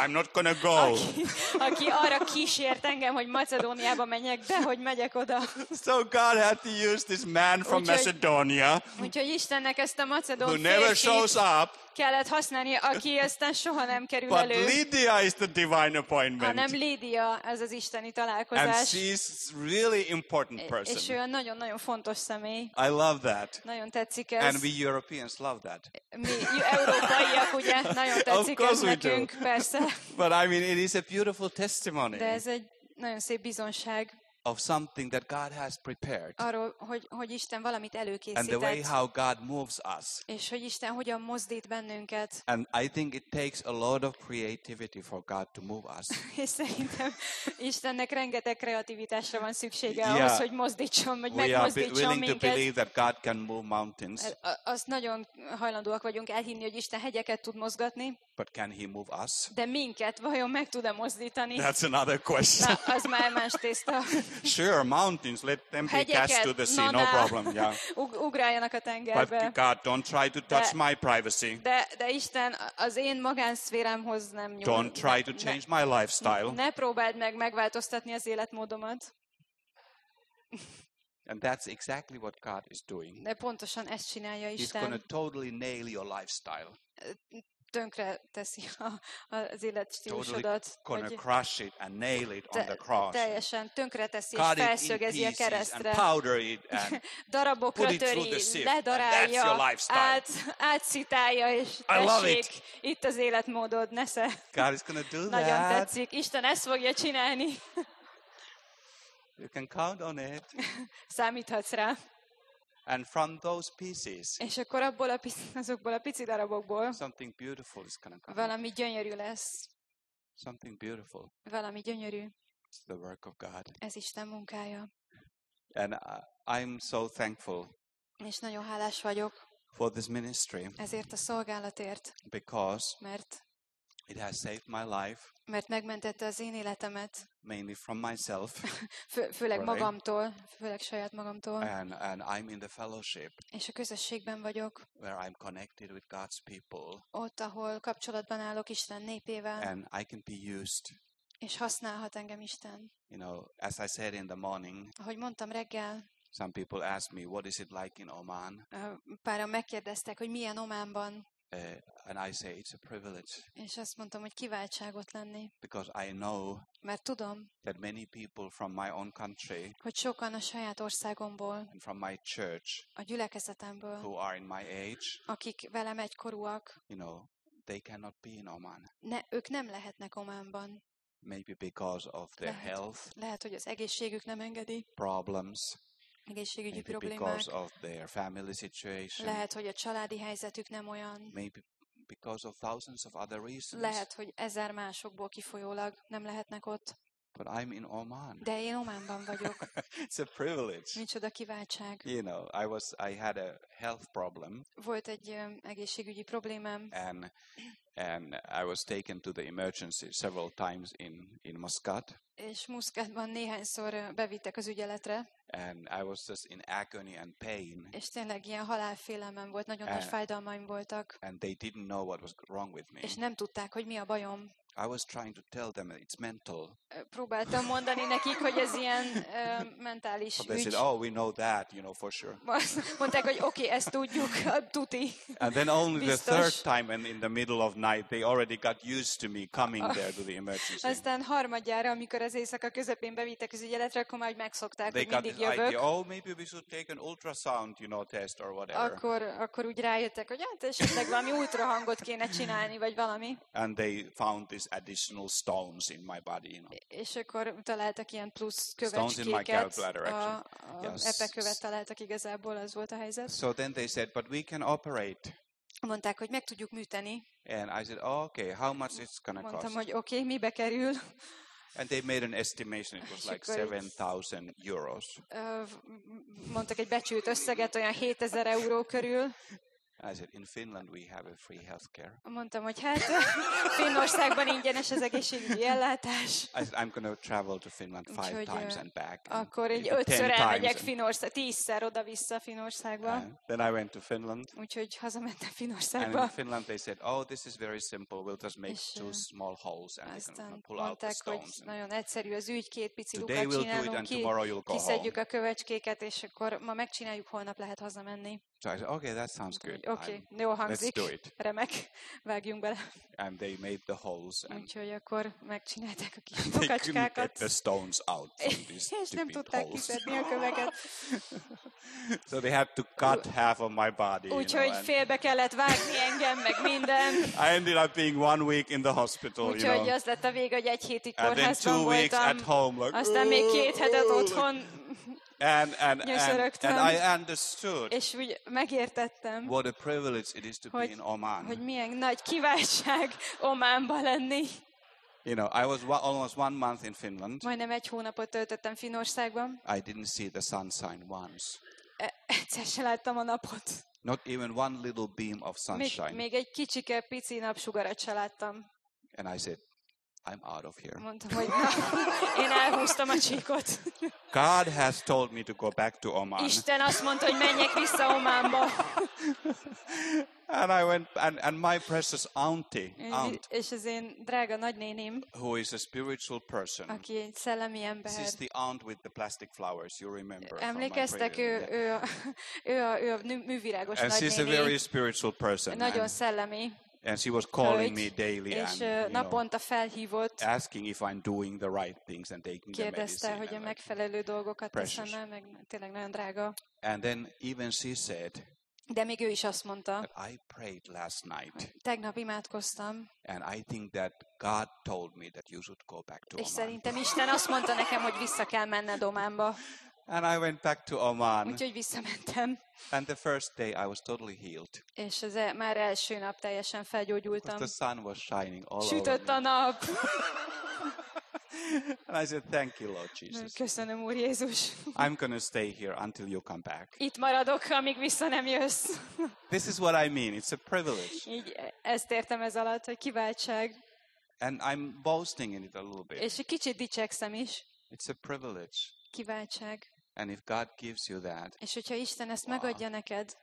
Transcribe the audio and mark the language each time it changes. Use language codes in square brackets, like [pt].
[en] I'm not gonna go." [hu] Aki arra kísért engem, hogy Macedóniába menjek, de hogy megyek oda. [en] So God had to use this man from Macedonia, [hu] úgyhogy Istennek ezt a macedón férfit, [en] who never shows up, [hu] kellett használni, aki aztán soha nem kerül [en] But [hu] elő. [en] But Lydia is the divine appointment. [hu] Hanem Lydia, ez az isteni találkozás. [en] And she's really important person. [hu] És ő a nagyon-nagyon fontos személy. [en] I love that. [hu] Nagyon tetszik ez. [en] And we Europeans love that. [hu] Mi európaiak, ugye, nagyon tetszik ez nekünk, persze. [en] But I mean, it is a beautiful testimony. [hu] De ez egy nagyon szép bizonság. [en] Of something that God has prepared. [hu] Arról, hogy Isten valamit előkészített. [en] And the way how God moves us. [hu] És hogy Isten hogyan mozdít bennünket. [en] And I think it takes a lot of creativity for God to move us. [hu] És szerintem Istennek rengeteg kreativitásra van szüksége ahhoz, hogy mozdítson, hogy megmozdítson minket. [en] We are willing to believe that God can move mountains. [hu] Azt nagyon hajlandóak vagyunk elhinni, hogy Isten hegyeket tud mozgatni. [en] But can he move us? [hu] De minket vajon meg tud-e mozdítani? [en] That's another question. [hu] Az már más tészta. [en] Sure, mountains, let them be cast to the sea, no problem. Yeah. [hu] Ugráljanak a tengerbe. [en] But God, don't try to touch my privacy. [hu] De Isten az én magánszférámhoz nem nyúl. [en] Don't try to change my lifestyle. [hu] Ne próbáld meg megváltoztatni az életmódomat. [en] And that's exactly what God is doing. [hu] De pontosan ezt csinálja Isten. [en] He's going to totally nail your lifestyle. [hu] tönkre teszi az életstílusodat. [en] Totally crush it and nail it on the cross. [hu] Teljesen tönkre teszi, és felszögezi a keresztre. [en] Powder it and [hu] darabokra töri, ledarálja, átszitálja, és tessék, itt az életmódod, nesze. [en] God is gonna do that. [hu] Nagyon tetszik, Isten ezt fogja csinálni. [en] You can count on it. [hu] Számíthatsz rá. [en] And from those pieces, [hu] és akkor abból a azokból a pici darabokból, [en] something beautiful is gonna come. [hu] Valami gyönyörű lesz. [en] Something beautiful. [hu] Valami gyönyörű. [en] It's the work of God. [hu] Ez Isten munkája. [en] And I'm so thankful. [hu] És nagyon hálás vagyok. [en] For this ministry. [hu] Ezért a szolgálatért. [en] Because. [hu] Mert. [en] It has saved my life. [hu] Mert megmentette az én életemet. [en] Mainly from myself. [hu] Főleg magamtól, főleg saját magamtól. [en] And I'm in the fellowship. [hu] És a közösségben vagyok. [en] Where I'm connected with God's people. [hu] Ott, ahol kapcsolatban állok Isten népével. [en] And I can be used. [hu] És használhat engem Isten. [en] You know, as I said in the morning. [hu] Ahogy mondtam reggel. [en] Some people ask me, what is it like in Oman? [hu] Páran megkérdeztek, hogy milyen Ománban. [en] And I say it's a privilege. [hu] És azt mondtam, hogy kiváltságot lenni. [en] Because I know. [hu] Mert tudom. [en] That many people from my own country. [hu] Hogy sokan a saját országomból. [en] And from my church. [hu] A gyülekezetemből. [en] Who are in my age. [hu] Akik velem egykorúak. [en] You know, they cannot be in Oman. [hu] Ne, ők nem lehetnek Ománban. [en] Maybe because of their health. [hu] Lehet, hogy az egészségük nem engedi. [en] Problems. [hu] Egészségügyi [en] maybe [hu] problémák. [en] Because of their family situation. [hu] Lehet, hogy a családi helyzetük nem olyan. [en] Maybe because of thousands of other reasons. [hu] Lehet, hogy ezer másokból kifolyólag nem lehetnek ott. [en] But I'm in Oman. [hu] De én Ománban vagyok. [en] It's a privilege. [hu] Micsoda kiváltság. [en] You know, I had a health problem. [hu] Volt egy egészségügyi problémám. [en] And I was taken to the emergency several times in Muscat. [hu] És Muscatban néhányszor bevittek az ügyeletre. [en] And I was just in agony and pain. [hu] És tényleg ilyen halálfélelmem volt, nagyon nagy fájdalmaim voltak. [en] And they didn't know what was wrong with me. [hu] És nem tudták, hogy mi a bajom. [en] I was trying to tell them it's mental. [hu] Próbáltam mondani nekik, hogy ez ilyen mentális ügy. [en] They said, oh, we know that, you know, for sure. [hu] Mondták, hogy oké, ezt tudjuk, tuti. [en] And then only the third time and in the middle of night they already got used to me coming there to the emergency. [hu] Aztán harmadjára, amikor az éjszaka közepén bevittek az ügyeletre, akkor már megszokták, hogy mindig jövök. [en] They got the idea, oh, maybe we should take an ultrasound, you know, test or whatever. [hu] Akkor úgy rájöttek, hogy hát esetleg valami ultrahangot kéne csinálni, vagy valami. [en] And they found this additional stones in my body, you know. [hu] És akkor találtak ilyen plusz kövecskéket. [en] Stones in my gallbladder, actually. Yes. [hu] Epekövet találtak igazából, az volt a helyzet. [en] So then they said, but we can operate. [hu] Mondták, hogy meg tudjuk műteni. [en] And I said, oh, okay, how much it's gonna [hu] mondtam, [en] cost? [hu] Mondtam, hogy oké, mibe kerül. [en] And they made an estimation, it was like 7,000 euros. [hu] Mondtak egy becsült összeget, olyan 7,000 euró körül. [en] I said, in Finland we have a free healthcare. [hu] Mondtam, hogy hát Finnországban ingyenes az egészségügyi ellátás. [en] I said, I'm going to travel to Finland 5 times and back. [hu] Akkor egy 5-ször elmegyek Finország, 10-szer oda-vissza Finországba. [en] Then I went to Finland. [hu] Úgyhogy hazamentem Finországba. [en] And in Finland they said, oh, this is very simple. We'll just make two small holes and we can pull out the stones. [hu] Hogy nagyon egyszerű az ügy, két pici lukat csinálunk ki. [en] Tomorrow you'll go home. [hu] Kiszedjük a kövecskéket, és akkor ma megcsináljuk, holnap lehet hazamenni. [en] So I said, okay, that sounds good. [hu] Okay, jó hangzik. [en] Let's do it. [hu] Remek. Vágjunk bele. [en] And they made the holes. [hu] Úgyhogy akkor megcsinálták a kis lukacskákat. [en] They couldn't get the stones out from these. [hu] És nem tudták kiszedni a köveket. [en] So they had to cut half of my body. [hu] Úgyhogy félbe kellett vágni engem, meg minden. [en] I ended up being 1 week in the hospital, you know. [hu] Úgyhogy az lett a vég, hogy egy hétig kórházban voltam. [en] And then 2 weeks at home. Like, [hu] aztán még két hetet otthon. [en] And I understood. [hu] És úgy megértettem. [en] What a privilege it is to be in Oman. [hu] Hogy milyen nagy kiváltság Ománban lenni. [en] You know, I was almost 1 month in Finland. [hu] Majdnem egy hónapot töltöttem Finnországban. [en] I didn't see the sun sign once. [hu] Egyszer sem láttam a napot. [en] Not even one little beam of sunshine. [hu] Még egy kicsike pici napsugarat sem láttam. [en] And I said, I'm out of here. [hu] Mondtam, hogy na, én elhúztam a csíkot. [en] God has told me to go back to Oman. [hu] Isten azt mondta, hogy menjek vissza Ománba. [en] And I went, and my precious auntie, [hu] és az én drága nagynéném, [en] who is a spiritual person, [hu] aki egy szellemi ember, [en] she's the aunt with the plastic flowers, you remember. [hu] Emlékeztek, ő a művirágos nagynéném. [en] And she's a very spiritual person. [hu] Nagyon szellemi. [en] And she was calling me daily [hu] és, [en] and [hu] felhívott, [en] asking if I'm doing the right things and taking the medicine. And then even she said, [hu] de még ő is azt mondta, [en] I prayed last night. [hu] Tegnap imádkoztam. [en] And I think that God told me that you should go back to [hu] Oman. És szerintem Isten azt mondta nekem, hogy vissza kell menned Ománba. [en] And I went back to Oman. [hu] Úgyhogy visszamentem. [en] And the first day I was totally healed. [hu] És az már első nap teljesen felgyógyultam. [en] The sun was shining all over. [hu] Sütött a nap. [en] And I said, thank you, Lord Jesus. [hu] Köszönöm, Úr Jézus. [en] I'm going to stay here until you come back. [hu] Itt maradok, amíg vissza nem jössz. [en] This is what I mean. It's a privilege. [hu] Így ezt értem ez alatt, hogy kiváltság. [en] And I'm boasting in it a little bit. [hu] És egy kicsit dicsekszem is. [en] It's a privilege. [hu] Kiváltság. [en] And if God gives you that, [hu] és hogyha Isten ezt megadja neked,